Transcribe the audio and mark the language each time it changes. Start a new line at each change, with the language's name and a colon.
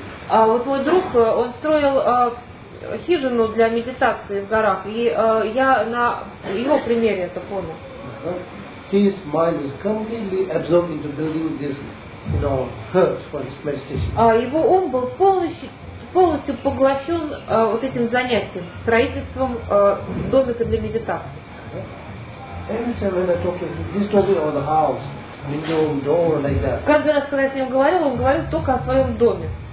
Russian: Вот мой друг, он строил хижину для медитации в горах, и я на его примере это понял.
English: His mind is completely absorbed into building this, you know, hut for his meditation.
Russian: Его ум был полностью поглощен вот этим занятием, строительством домика для медитации. Каждый раз, когда я с ним говорил, он говорил только о своем доме.